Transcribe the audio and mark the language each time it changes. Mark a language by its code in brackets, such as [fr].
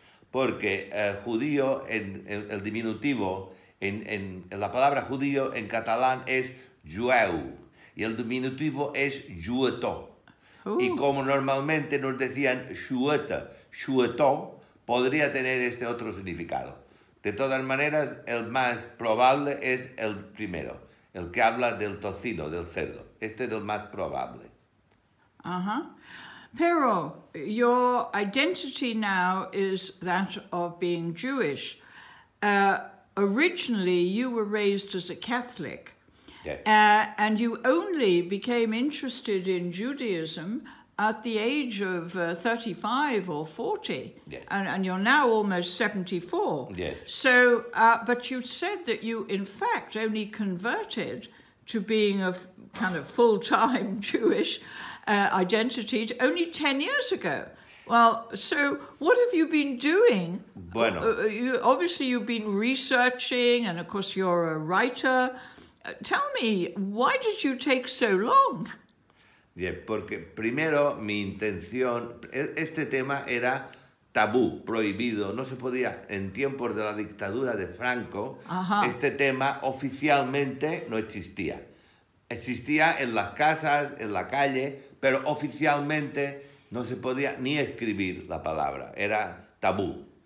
[es] Porque judío, en el diminutivo, en la palabra judío en catalán es jueu, y el diminutivo es juetó. Y como normalmente nos decían xueta, xueto, podría tener este otro significado. De todas maneras, el más probable es el primero, el que habla del tocino, del cerdo. Este es el más probable. Ajá. [en] Pero, your identity now is that of being Jewish. Originally, you were raised as a Catholic. Yeah. And you only became interested in Judaism at the age of 35 or 40, yes. and you're now almost 74. Yes. So, but you said that you, in fact, only converted to being a kind of full-time Jewish identity only 10 years ago. Well, so what have you been doing? [es] Bueno. [en] Obviously, you've been researching, and of course, you're a writer. Tell me, why did you take so long? [es] Porque primero mi intención, este tema era tabú, prohibido, no se podía, en tiempos de la dictadura de Franco, uh-huh. Este tema oficialmente no existía. Existía en las casas, en la calle, pero oficialmente no se podía ni escribir la palabra, era tabú.